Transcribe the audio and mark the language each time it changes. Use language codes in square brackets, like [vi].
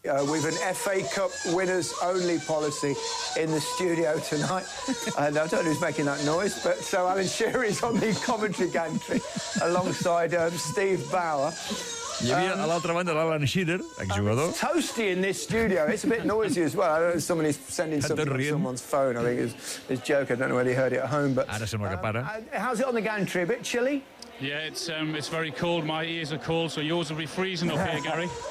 [en] We've an FA Cup winners only policy in the studio tonight. And I don't know who's making that noise, but so Alan Shearer is on the commentary gantry alongside Steve Bauer. [ca] Hi havia a l'altra banda l'Alan Shearer, exjugador. [en] It's toasty in this studio. It's a bit noisy as well. I don't know if somebody's sending something on someone's phone. I think it's a joke. I don't know whether he heard it at home. But, [ca] ara sembla que para. [en] How's it on the gantry? A bit chilly? Yeah, it's very cold. My ears are cold, so yours will be freezing up here, Gary.